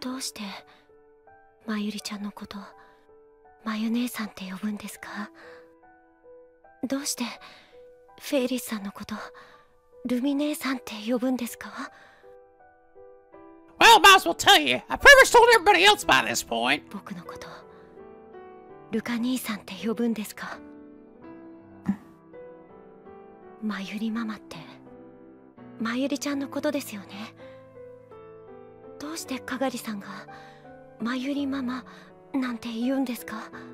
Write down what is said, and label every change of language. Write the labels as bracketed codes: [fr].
[ja] どうして、まゆりちゃんのこと、まゆ姉さんって呼ぶんですか? どうして、フェイリスさんのこと、ルミ姉さんって呼ぶんですか? [en] Well, might as well tell you. I pretty much told everybody else by this point. [ja] 僕のこと、ルカ兄さんって呼ぶんですか? まゆりママって、まゆりちゃんのことですよね。どうしてかがりさんが、まゆりママなんて言うんですか?